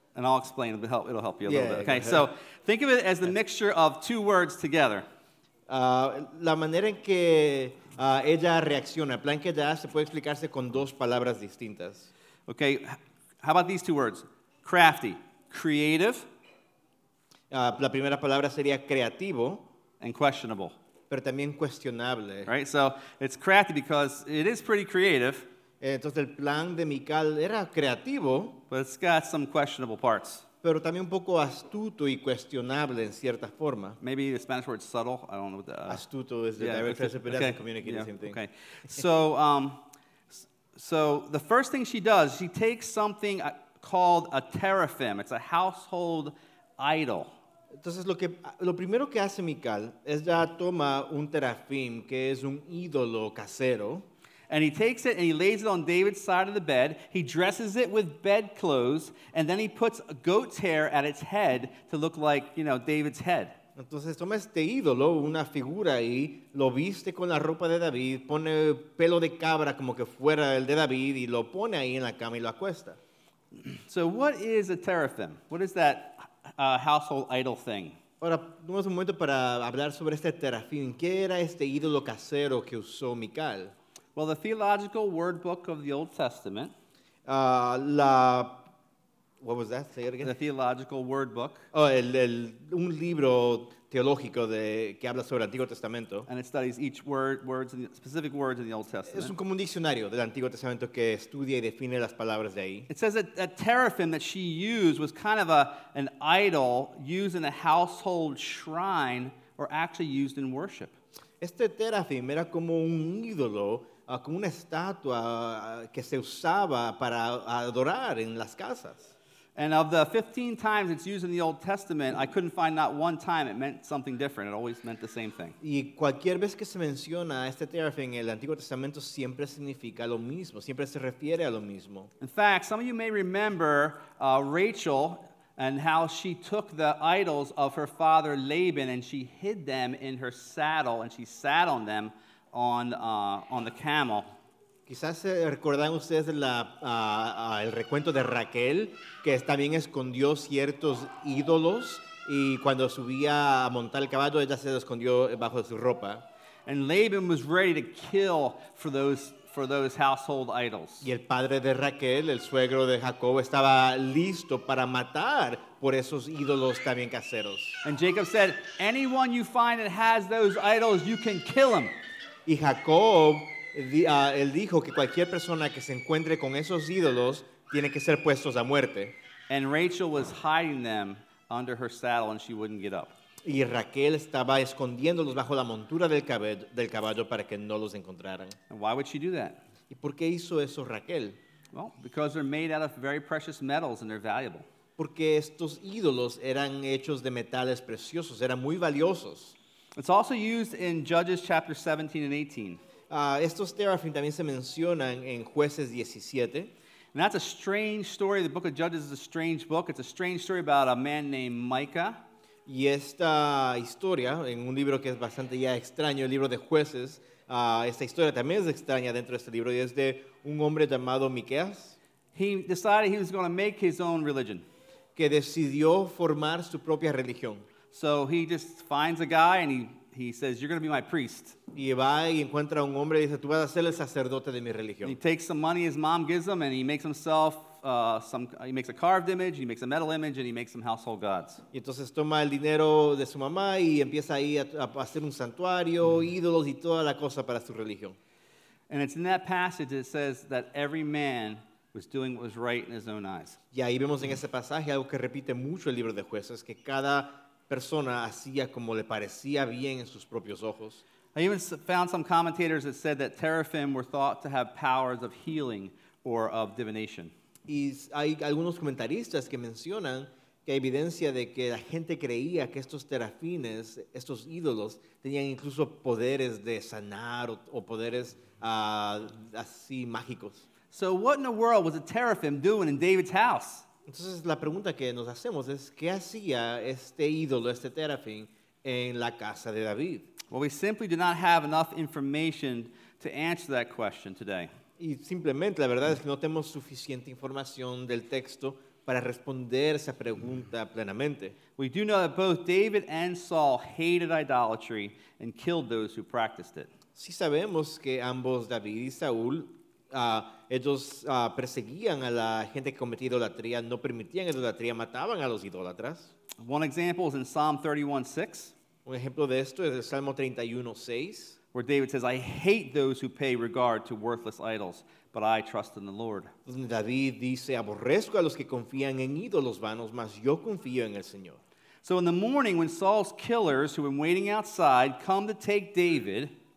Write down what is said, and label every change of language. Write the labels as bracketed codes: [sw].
[en] And I'll explain. It'll help you a little bit. Okay. So think of it as the mixture of two words together. [es] La manera en que ella reacciona, plan que ella hace, puede explicarse con dos palabras distintas. [en] Okay. How about these two words? Crafty, creative. [es] La primera palabra sería creativo. [en] And questionable. [es] Pero también cuestionable. [en] Right. So it's crafty because it is pretty creative. [es] Entonces el plan de Michal era creativo, [en] but it's got some questionable parts. [es] Pero también un poco astuto y cuestionable en cierta forma. [en] Maybe the Spanish word subtle. I don't know what the astuto is. The direct translation, but it doesn't communicate the same thing. Okay. So, so the first thing she does, she takes something called a teraphim. It's a household idol. [es] Entonces lo primero que hace Michal es ya toma un teraphim, que es un ídolo casero. [en] And he takes it and he lays it on David's side of the bed. He dresses it with bed clothes, and then he puts goat's hair at its head to look like, you know, David's head. [es] Entonces toma este ídolo, una figura ahí, lo viste con la ropa de David, pone pelo de cabra como que fuera el de David, y lo pone ahí en la cama y lo acuesta. [en] So what is a teraphim? What is that household idol thing? [es] Ahora, tomamos un momento para hablar sobre este teraphim. ¿Qué era este ídolo casero que usó Michal? [en] Well, the theological word book of the Old Testament. What was that? Say it again. The theological word book. [es] Oh, un libro teológico que habla sobre el Antiguo Testamento. [en] And it studies each words in the, specific words in the Old Testament. [es] Es como un diccionario del Antiguo Testamento que estudia y define las palabras de ahí. [en] It says that a teraphim that she used was kind of an idol used in a household shrine or actually used in worship. [es] Este terafim era como un ídolo, como una estatua que se usaba para adorar en las casas. [en] And of the 15 times it's used in the Old Testament, I couldn't find not one time it meant something different. It always meant the same thing. [es] Y cualquier vez que se menciona este terafim en el Antiguo Testamento siempre significa lo mismo, siempre se refiere a lo mismo. [en] In fact, some of you may remember Rachel and how she took the idols of her father Laban and she hid them in her saddle and she sat on them on the camel. [es] Quizás recuerdan ustedes el recuento de Raquel, que también escondió ciertos ídolos, y cuando subía a montar el caballo, ella se escondió bajo su ropa. [en] And Laban was ready to kill for those household idols. [es] Y el padre de Raquel, el suegro de Jacob, estaba listo para matar por esos ídolos también caseros. [en] And Jacob said, anyone you find that has those idols, you can kill them. [es] Y Jacob, él dijo que cualquier persona que se encuentre con esos ídolos tiene que ser puestos a muerte. [en] And Rachel was hiding them under her saddle and she wouldn't get up. [es] Y Raquel estaba escondiéndolos bajo la montura del caballo para que no los encontraran. [en] And why would she do that? [es] ¿Y por qué hizo eso Raquel? [en] Well, because they're made out of very precious metals and they're valuable. [es] Porque estos ídolos eran hechos de metales preciosos, eran muy valiosos. [en] It's also used in Judges chapter 17 and 18. [es] Estos terafim también se mencionan en Jueces 17. [en] And that's a strange story. The book of Judges is a strange book. It's a strange story about a man named Micah. [es] Y esta historia, en un libro que es bastante ya extraño, el libro de Jueces, esta historia también es extraña dentro de este libro, y es de un hombre llamado Miqueas. [en] He decided he was going to make his own religion. [es] Que decidió formar su propia religión. [en] So he just finds a guy and he says, you're going to be my priest. [es] Y va y encuentra un hombre y dice, tú vas a ser el sacerdote de mi religión. [en] He takes some money his mom gives him and he makes himself he makes a carved image, he makes a metal image, and he makes some household gods. [es] Y entonces toma el dinero de su mamá y empieza ahí a hacer un santuario, ídolos y toda la cosa para su religión. [en] And it's in that passage that it says that every man was doing what was right in his own eyes. [es] Y ahí vemos en ese pasaje algo que repite mucho el libro de Jueces, que cada persona hacía como le parecía bien en sus propios ojos. [en] I even found some commentators that said that teraphim were thought to have powers of healing or of divination. [es] Y hay algunos comentaristas que mencionan que hay evidencia de que la gente creía que estos terafines, estos ídolos, tenían incluso poderes de sanar o poderes así mágicos. [en] So what in the world was a teraphim doing in David's house? [es] Entonces la pregunta que nos hacemos es, ¿qué hacía este ídolo, este terafim, en la casa de David? [en] Well, we simply do not have enough information to answer that question today. [es] Y simplemente la verdad es que no tenemos suficiente información del texto para responder esa pregunta plenamente. [en] We do know that both David and Saul hated idolatry and killed those who practiced it. [es] Sí sabemos que ambos, David y Saúl, ellos perseguían a la gente que cometía idolatría, no permitían idolatría, mataban a los idólatras. [en] One example is in Psalm 31:6. [es] Un ejemplo de esto es el Salmo 31:6, [en] where David says, "I hate those who pay regard to worthless idols, but I trust in the Lord." [es] David dice, "Aborrezco a los que confían en ídolos vanos, mas yo confío en el Señor." [en] So in the morning, when Saul's killers, who have been waiting outside, come to take David,